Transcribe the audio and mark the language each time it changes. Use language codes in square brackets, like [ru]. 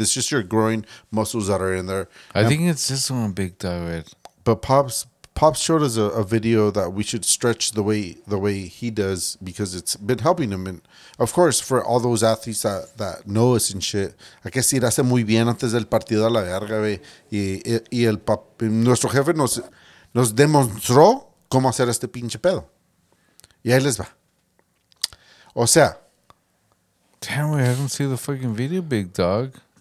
[en] It's just your groin muscles that are in there. I think it's this one, big diet. But Pops showed us a video that we should stretch the way he does, because it's been helping him. And of course, for all those athletes that know us and shit, I guess he [es] hace muy bien antes del partido a la verga, güey. Y el papi, nuestro jefe nos demostró cómo hacer este pinche pedo. Y ahí les va. O sea. [en] Damn, we haven't seen the fucking video, big dog.